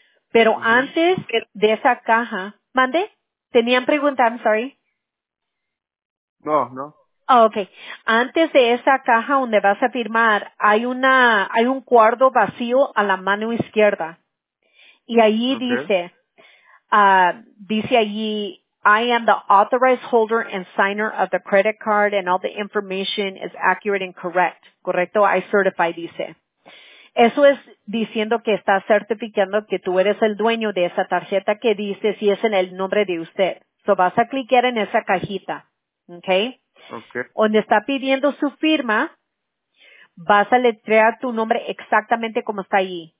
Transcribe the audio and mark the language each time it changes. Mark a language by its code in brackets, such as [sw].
[es] Pero uh-huh. Antes de esa caja, ¿mande? ¿Tenían pregunta? [en] I'm sorry. [es] No. Oh, okay. Antes de esa caja donde vas a firmar, hay un cuarto vacío a la mano izquierda. Y ahí okay. dice allí, [en] I am the authorized holder and signer of the credit card and all the information is accurate and correct. [es] Correcto, [en] I certify, [es] dice. Eso es diciendo que está certificando que tú eres el dueño de esa tarjeta que dice si es en el nombre de usted. So vas a cliquear en esa cajita. Okay. Okay. Donde está pidiendo su firma, vas a letrear tu nombre exactamente como está ahí.